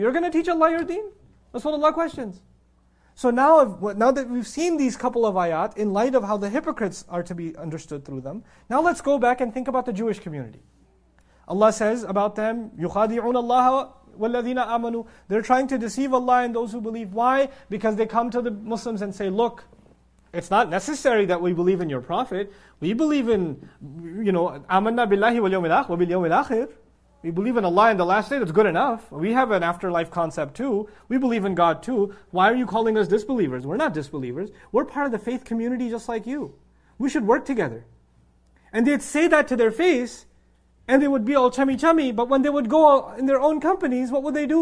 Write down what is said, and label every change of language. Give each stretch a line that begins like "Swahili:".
English: You're going to teach Allah your deen? That's what Allah questions. So now that we've seen these couple of ayat, in light of how the hypocrites are to be understood through them, now let's go back and think about the Jewish community. Allah says about them,
Arabic: يُخَادِعُونَ اللَّهَ وَالَّذِينَ آمَنُوا.
English: They're trying to deceive Allah and those who believe. Why? Because they come to the Muslims and say, look, it's not necessary that we believe in your Prophet. We believe in, you know,
Arabic: آمَنَّا بِاللَّهِ وَالْيَوْمِ الْآخِرِ وَبِالْيَوْمِ الْآخِرِ.
English: We believe in Allah and the last day, that's good enough. We have an afterlife concept too. We believe in God too. Why are you calling us disbelievers? We're not disbelievers. We're part of the faith community just like you. We should work together. And they'd say that to their face, and they would be all chummy chummy, but when they would go in their own companies, what would they do?